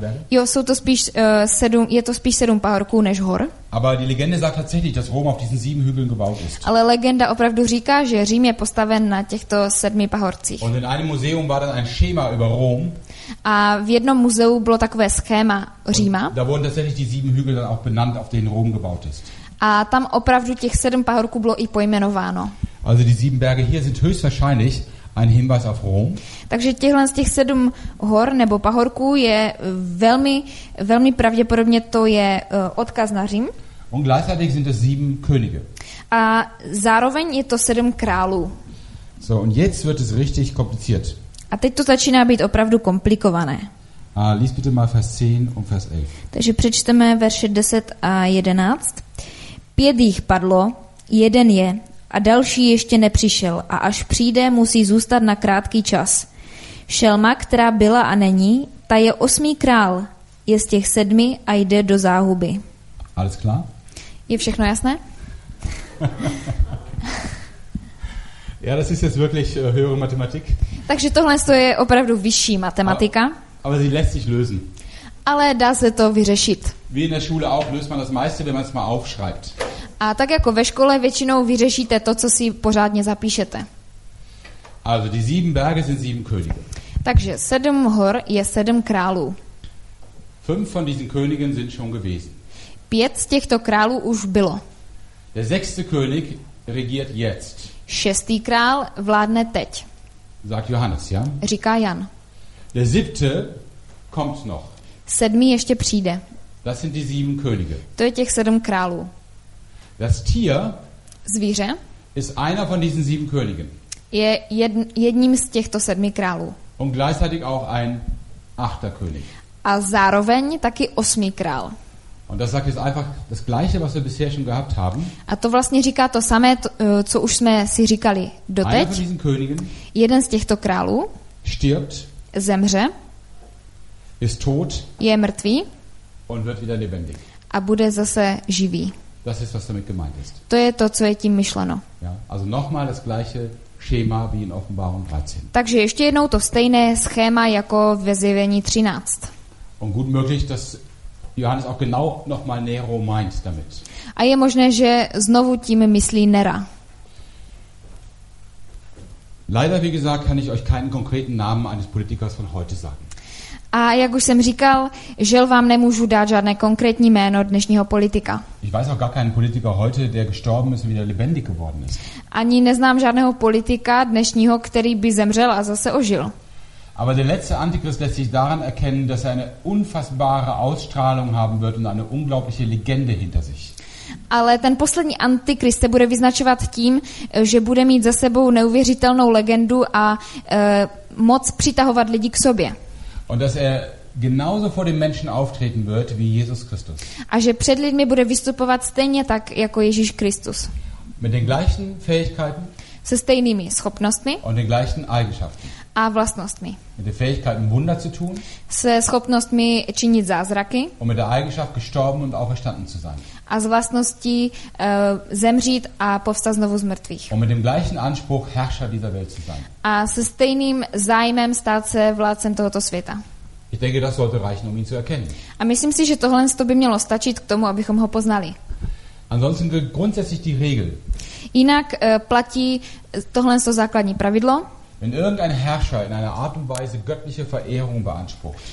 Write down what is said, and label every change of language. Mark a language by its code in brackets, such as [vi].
[cs] Je to spíš sedm pahorků než hor. [de] Aber die Legende sagt tatsächlich, dass Rom auf diesen sieben Hügeln gebaut ist. [cs] Ale legenda opravdu říká, že Řím je postaven na těchto sedmi pahorcích. [de] Und in einem Museum war dann ein Schema über Rom. [cs] A v jednom muzeu bylo takové schéma Říma. [de] Da wurden tatsächlich die sieben Hügel dann auch benannt, auf denen Rom gebaut ist. [cs] A tam opravdu těch sedm pahorků bylo i pojmenováno. [de] Also die sieben Berge hier sind höchstwahrscheinlich ein Hinweis auf Rom. [cs] Takže těchhle z těch sedm hor nebo pahorků je velmi, velmi pravděpodobně to je odkaz na Řím. [de] Und gleichzeitig sind es sieben Könige. [cs] A zároveň je to sedm králů. [de] So, und jetzt wird es richtig kompliziert. [cs] A teď to začíná být opravdu komplikované. [de] Lies bitte mal Vers 10 und Vers 11. [cs] Takže přečteme verše 10 a 11. Pět jich padlo, jeden je, a další ještě nepřišel, a až přijde, musí zůstat na krátký čas. Šelma, která byla a není, ta je osmý král, je z těch sedmi a jde do záhuby. [de] Alles klar? [cs] Je všechno jasné? [de] Ja, das ist jetzt wirklich höhere Mathematik. [cs] Takže tohle je opravdu vyšší matematika. [de] Aber sie lässt sich lösen. [cs] Ale dá se to vyřešit. [de] Wie in der Schule auch löst man das meiste, wenn man es mal aufschreibt. [cs] A tak jako ve škole většinou vyřešíte to, co si pořádně zapíšete. [de] Also die sieben Berge sind sieben Könige. [cs] Takže sedm hor je sedm králů. [de] Fünf von diesen Königen sind schon gewesen. [cs] Pět z těchto králů už bylo. [de] Der sechste König regiert jetzt. [cs] Šestý král vládne teď. [de] Sagt Johannes, ja? [cs] Říká Jan. [de] Der siebte kommt noch. [cs] Sedmý ještě přijde. [de] Das sind die sieben Könige. [cs] To je těch sedm králů. [de] Das Tier [cs] zvíře [de] ist einer von diesen sieben Königen. [cs] Je jedním z těchto sedmi králů. [de] Und gleichzeitig auch ein achter König. [cs] A zároveň taky osmý král. [de] Und das sagt jetzt einfach das Gleiche, was wir bisher schon gehabt haben. [cs] A to vlastně říká to samé, co už jsme si říkali doteď. [de] Einer von diesen Königen. [cs] Jeden z těchto králů [de] stirbt. [cs] Zemře. [de] Ist tot. [cs] Je mrtvý. [de] Und wird wieder lebendig. [cs] A bude zase živý. [de] Das ist, was damit gemeint ist. [cs] To je to, co je tím myšleno. [de] Ja, also nochmal das gleiche Schema wie in Offenbarung 13. [cs] Takže ještě jednou to stejné schéma jako ve Zjevení 13. [de] Und gut möglich, dass Johannes auch genau nochmal Nero meint damit. [cs] A je možné, že znovu tím myslí Nera. [de] Leider, wie gesagt, kann ich euch keinen konkreten Namen eines Politikers von heute sagen. [cs] A jak už jsem říkal, žel vám nemůžu dát žádné konkrétní jméno dnešního politika. [de] Ich weiß auch gar keinen Politiker heute, der gestorben ist und wieder lebendig geworden ist. [cs] Ani neznám žádného politika dnešního, který by zemřel a zase ožil. [de] Aber der letzte Antichrist lässt sich daran erkennen, dass er eine unfassbare Ausstrahlung haben wird und eine unglaubliche Legende hinter sich. [cs] Ale ten poslední antikrist se bude vyznačovat tím, že bude mít za sebou neuvěřitelnou legendu a moc přitahovat lidi k sobě. [de] Und dass er genauso vor den Menschen auftreten wird wie Jesus Christus. [cs] A že před lidmi bude vystupovat stejně tak jako Ježíš Kristus. [de] Mit den gleichen Fähigkeiten. [cs] Se stejnými schopnostmi. [de] Und den gleichen Eigenschaften. [cs] A vlastnostmi. [de] Mit den Fähigkeiten Wunder zu tun. [cs] Se schopnostmi činit zázraky. [de] Und mit der Eigenschaft gestorben und auferstanden zu sein. [cs] A s vlastností zemřít a povstat znovu z mrtvých. [de] Und mit dem gleichen Anspruch Herrscher dieser Welt zu sein. [cs] A se stejným zájmem stát se vládcem tohoto světa. [de] Ich denke, das sollte reichen, um ihn zu erkennen. [cs] A myslím si, že tohle by mělo stačit k tomu, abychom ho poznali. [de] Ansonsten gilt grundsätzlich die Regel. [cs] Jinak platí tohle základní pravidlo. [de] Wenn irgendein Herrscher in einer Art und Weise göttliche Verehrung beansprucht.